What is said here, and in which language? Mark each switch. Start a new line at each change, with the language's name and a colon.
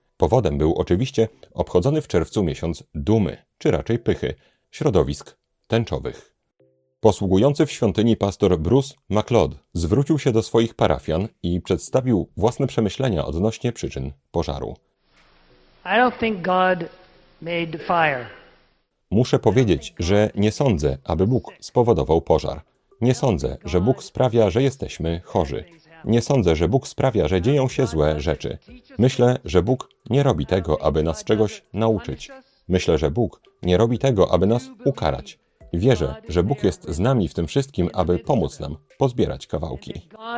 Polish: Powodem był oczywiście obchodzony w czerwcu miesiąc dumy, czy raczej pychy, środowisk tęczowych. Posługujący w świątyni pastor Bruce McLeod zwrócił się do swoich parafian i przedstawił własne przemyślenia odnośnie przyczyn pożaru.
English: I don't think God made fire.
Polish: Muszę powiedzieć, że nie sądzę, aby Bóg spowodował pożar. Nie sądzę, że Bóg sprawia, że jesteśmy chorzy. Nie sądzę, że Bóg sprawia, że dzieją się złe rzeczy. Myślę, że Bóg nie robi tego, aby nas czegoś nauczyć. Myślę, że Bóg nie robi tego, aby nas ukarać. Wierzę, że Bóg jest z nami w tym wszystkim, aby pomóc nam pozbierać kawałki.